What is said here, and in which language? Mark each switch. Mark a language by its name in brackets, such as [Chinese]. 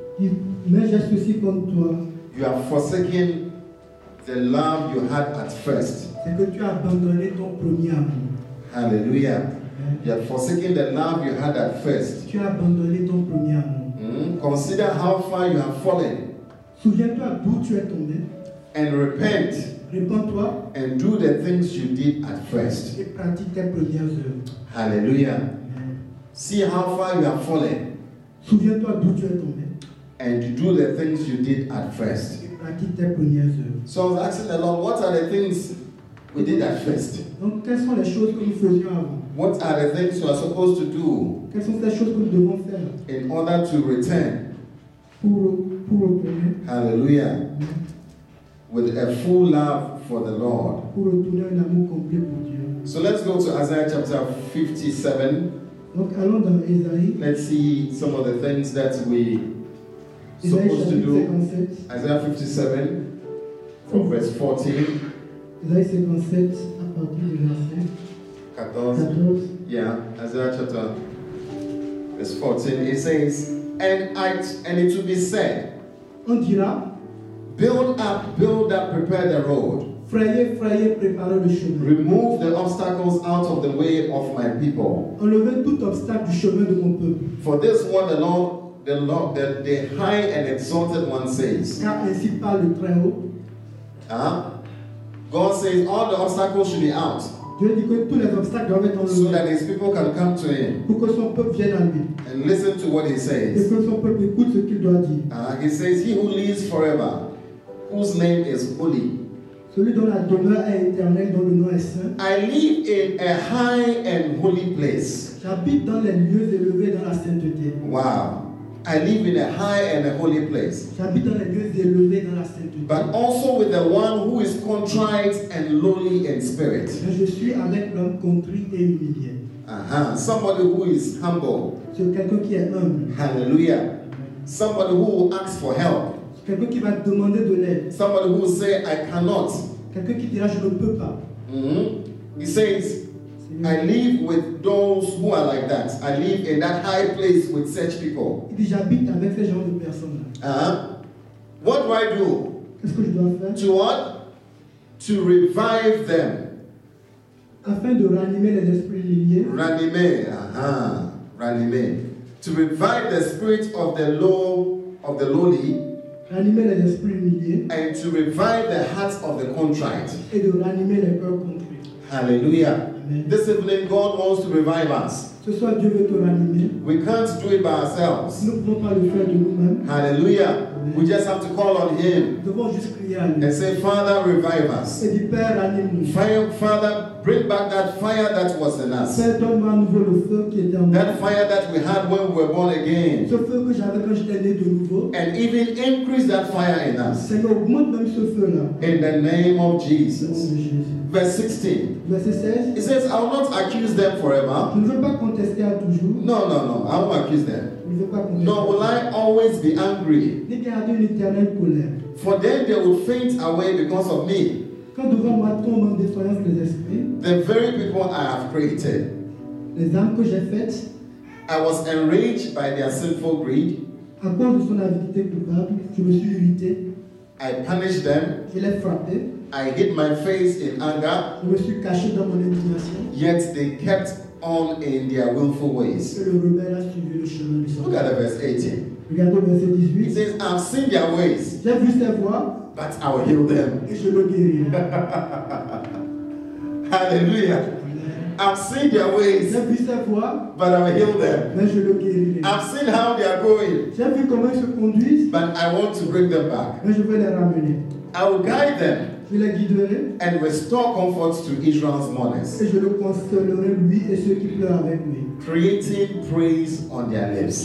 [French] Mais j'ai ceci contre toi. [English] You have forsaken the love you had at first. [French] C'est que tu as abandonné ton premier amour. [English] Hallelujah. You are forsaking the love you had at first. [French] Tu as abandonné ton premier amour. [English] Consider how far you have fallen. [French] Souviens-toi d'où tu es tombé. [English] And repent. [French] Repens-toi. [English] And do the things you did at first. [French] Et pratique tes premières œuvres. [English] Hallelujah. See how far you have fallen. [French] Souviens-toi d'où tu es tombé. [English] And do the things you did at first. [French] Et pratique tes premières œuvres. [English] So I was asking the Lord, what are the things we did at first? [French] Donc quelles sont les choses que nous faisions avant? [English] What are the things you are supposed to do? [French] Quelles sont les choses que nous devons faire? [English] In order to return. [French] Pour retourner. [English] Hallelujah. With a full love for the Lord. [French] Pour retourner un amour complet pour Dieu. [English] So let's go to Isaiah chapter 57. [French] Donc allons dans Isaiah. [English] Let's see some of the things that we are supposed to do. 57. Isaiah 57, from verse 14. [French] Isaiah 57, à partir du verset 14. [English] 14. Yeah, Isaiah chapter verse 14. It says, and it will be said, [French] on dira, [English] build up, prepare the road. [French] Frayez, préparez le chemin. [English] Remove the obstacles out of the way of my people. [French] Enlevez tout obstacle du chemin de mon peuple. [English] For this one the Lord, the high and exalted one says. [French] Car ainsi parle le très haut. [English] God says all the obstacles should be out. [French] Dieu dit que tous les obstacles doivent être enlevés. [English] So that his people can come to him. [French] Pour que son peuple vienne à lui. [English] And listen to what he says. [French] Et que son peuple écoute ce qu'il doit dire. [English] He says, he who lives forever, whose name is holy. [French] Celui dont la demeure est éternelle, dont le nom est saint. [English] I live in a high and holy place. [French] J'habite dans les lieux élevés dans la sainteté. [English] Wow. I live in a high and a holy place. [French] J'habite dans les lieux élevés dans la sainteté. [English] But also with the one who is contrite and lowly in spirit. [French] Mais je suis avec l'homme contrit et humilié. [English] Somebody who is humble. [French] C'est quelqu'un qui est humble. [English] Hallelujah. Somebody who will ask for help. [French] Quelqu'un qui va demander de l'aide. [English] Somebody who will say, I cannot. [French] Quelqu'un qui dira, je ne peux pas. [English] He says, I live with those who are like that. I live in that high place with such people. [French] Il dit, j'habite avec ces genres de personnes. [English] What do I do? [French] Qu'est-ce que je dois faire? [English] To what? To revive them. [French] Afin de ranimer les esprits liés. Ranimer. [English] To revive the spirit of the low, of the lowly. [French] Ranimer les esprits humiliés. [English] And to revive the hearts of the contrite. [French] Et de ranimer les cœurs contrits. [English] Hallelujah. Amen. This evening God wants to revive us. [French] Ce soir Dieu veut te ranimer. [English] We can't do it by ourselves. [French] Nous ne pouvons pas le faire de nous-mêmes. [English] Hallelujah. Amen. We just have to call on him. [French] Nous devons juste crier à lui. [English] And say, Father, revive us. [French] Et dit, Père, ranime-nous. [English] Father, bring back that fire that was in us. [French] Père, donne-moi à nouveau le feu qui était en nous. [English] That fire that we had when we were born again. [French] Ce feu que j'avais quand j'étais né de nouveau. [English] And even increase that fire in us. [French] Seigneur, augmente même ce feu-là. [English] In the name of Jesus. Verse 16. [French] Verset 16. [English] It says, I will not accuse them forever. [French] Je ne veux pas contester à toujours. [English] No. I won't accuse them. [French] Je ne veux pas contester. [English] Nor will I always be angry. [French] Ni garder une éternelle colère. [English] For then they will faint away because of me. [French] Quand devant moi tombe en défaillance les esprits. [English] The very people I have created. [French] Les âmes que j'ai faites. [English] I was enraged by their sinful greed. [French] À cause de son avidité coupable, je me suis irrité. [English] I punished them. [French] Je les frappais. [English] I hid my face in anger. [French] Je me suis caché dans mon indignation. [English] Yet they kept on in their willful ways. [French] Le rebelle a suivi le chemin du sang. [English] Look at the verse 18. [French] Regardez verset 18. [English] It says, I've seen their ways. [French] J'ai vu ses voies. [English] But I will heal them. [French] Et je le guérirai. [English] Hallelujah. I've seen their ways. [French] J'ai vu ses voies. [English] But I will heal them. [French] Mais je le guérirai. [English] I've seen how they are going. [French] J'ai vu comment ils se conduisent. [English] But I want to bring them back. [French] Mais je vais les ramener. [English] I will guide them. [French] Je les guiderai. [English] And restore comfort to Israel's mourners. [French] Et je le consolerai lui et ceux qui pleurent avec lui. [English] Creating praise on their lips.